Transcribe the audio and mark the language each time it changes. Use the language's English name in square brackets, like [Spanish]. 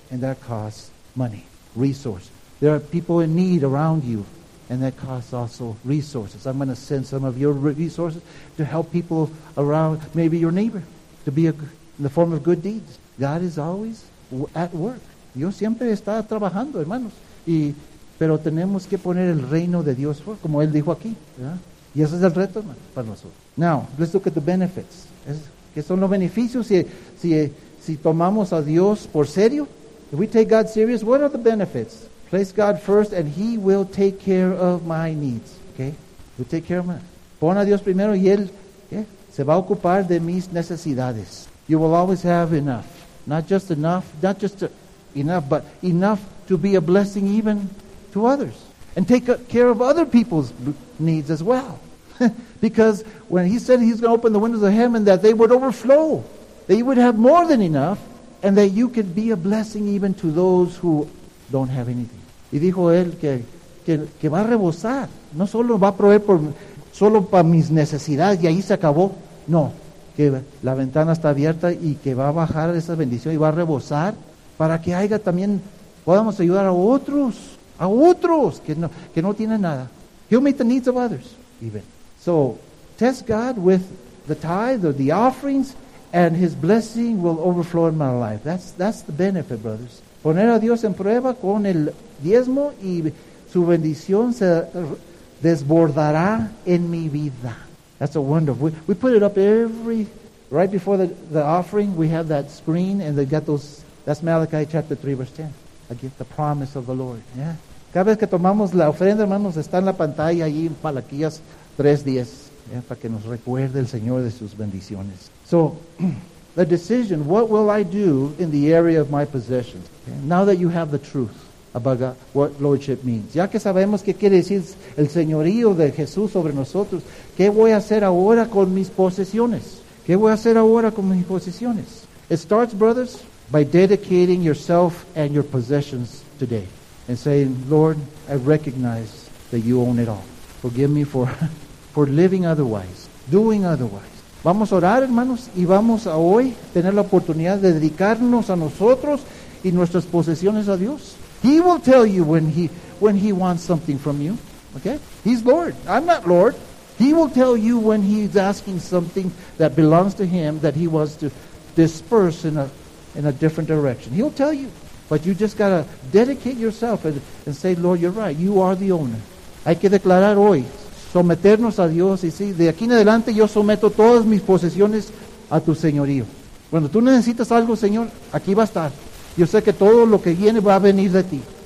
[English] And that costs money, resources. There are people in need around you, and that costs also resources. I'm going to send some of your resources to help people around, maybe your neighbor, to be in the form of good deeds. God is always at work. [Spanish] Dios siempre está trabajando, hermanos. Pero tenemos que poner el reino de Dios, como él dijo aquí. ¿Verdad? Y ese es el reto, hermanos, para nosotros. [English] Now, let's look at the benefits. [Spanish] ¿Qué son los beneficios si tomamos a Dios por serio? [English] If we take God serious, what are the benefits? Place God first and he will take care of my needs. Okay? We'll take care of my... [Spanish] Pon a Dios primero y él, ¿qué? Se va a ocupar de mis necesidades. [English] You will always have enough. Not just enough, but enough to be a blessing even to others. And take care of other people's needs as well. Because when he said he's going to open the windows of heaven, that they would overflow. That you would have more than enough. And that you could be a blessing even to those who don't have anything. [Spanish] Y dijo él que va a rebosar. No solo va a proveer solo para mis necesidades y ahí se acabó. No. Que la ventana está abierta y que va a bajar esa bendición y va a rebosar para que haya también, podamos ayudar a otros que no tienen nada. [English] He'll meet the needs of others, even. So, test God with the tithe or the offerings and his blessing will overflow in my life. That's the benefit, brothers. [Spanish] Poner a Dios en prueba con el diezmo y su bendición se desbordará en mi vida. [English] That's a wonder. We put it up every, right before the offering, we have that screen, and they got those, that's Malachi chapter 3, verse 10. Again, the promise of the Lord. Yeah. [Spanish] Cada vez que tomamos la ofrenda, hermanos, está en la pantalla ahí en Malaquías 3:10, para que nos recuerde el Señor de sus bendiciones. [English] So, the decision, what will I do in the area of my possessions? Okay. Now that you have the truth about God, what lordship means. [Spanish] Ya que sabemos qué quiere decir el señorío de Jesús sobre nosotros, ¿qué voy a hacer ahora con mis posesiones? ¿Qué voy a hacer ahora con mis posesiones? [English] It starts, brothers, by dedicating yourself and your possessions today and saying, Lord, I recognize that you own it all. Forgive me for living otherwise, doing otherwise. [Spanish] Vamos a orar, hermanos, y vamos a hoy tener la oportunidad de dedicarnos a nosotros y nuestras posesiones a Dios. [English] He will tell you when he wants something from you. Okay? He's Lord. I'm not Lord. He will tell you when he's asking something that belongs to him that he wants to disperse in a different direction. He'll tell you. But you just got to dedicate yourself and say, Lord, you're right. You are the owner. [Spanish] Hay que declarar hoy, someternos a Dios y decir, de aquí en adelante yo someto todas mis posesiones a tu señorío. Cuando tú necesitas algo, Señor, aquí va a estar. Yo sé que todo lo que viene va a venir de ti.